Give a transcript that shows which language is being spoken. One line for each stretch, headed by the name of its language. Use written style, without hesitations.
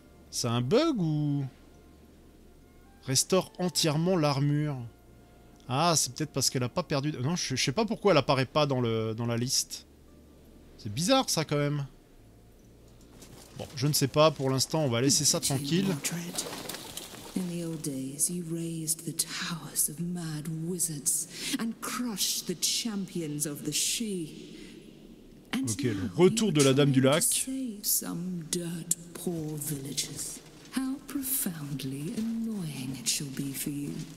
French: C'est un bug ou... Restaure entièrement l'armure. Ah, c'est peut-être parce qu'elle a pas perdu... Non, je sais pas pourquoi elle apparaît pas dans, dans la liste. C'est bizarre ça quand même. Bon, je ne sais pas, pour l'instant on va laisser ça tranquille.
English: In the old days, he raised the towers of mad wizards and crushed the champions of the Shi.
French: Ok, le retour de la Dame du Lac.
English: Some dirt poor villages. How profoundly annoying it shall be for you.